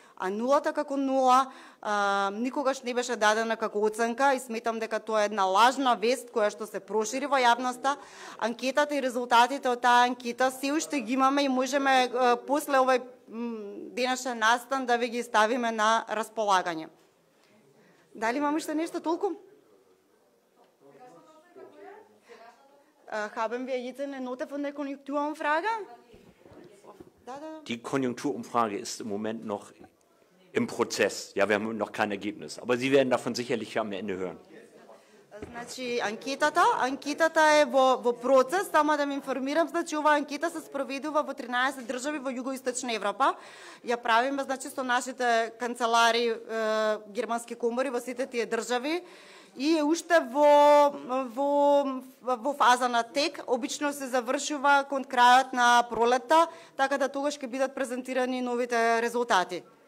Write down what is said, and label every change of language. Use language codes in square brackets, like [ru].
[mk] А нулата како нула никогаш не беше дадена како оценка и сметам дека тоа е една лажна вест која што се прошири во јавноста. Анкетата и резултатите од таа анкета се уште ги имаме и можеме после овој денешен настан да ви ги ставиме на располагање. Дали имам уште нешто толку? [de] Haben wir jetzt eine Note von der Konjunkturumfrage? Die Konjunkturumfrage ist im Moment noch Im Prozess. Ja, wir haben noch kein Ergebnis. Aber Sie werden davon sicherlich am Ende hören. [mk] Значи анкетата е во процес, само да ми информирам, значи оваа анкета се спроведува во 13 држави во југоисточна Европа. Ја правиме значи со нашите канцелари, германски комори во сите тие држави и е уште во фаза на тек, обично се завршува кон крајот на пролетта, така да тогаш ќе бидат презентирани новите резултати.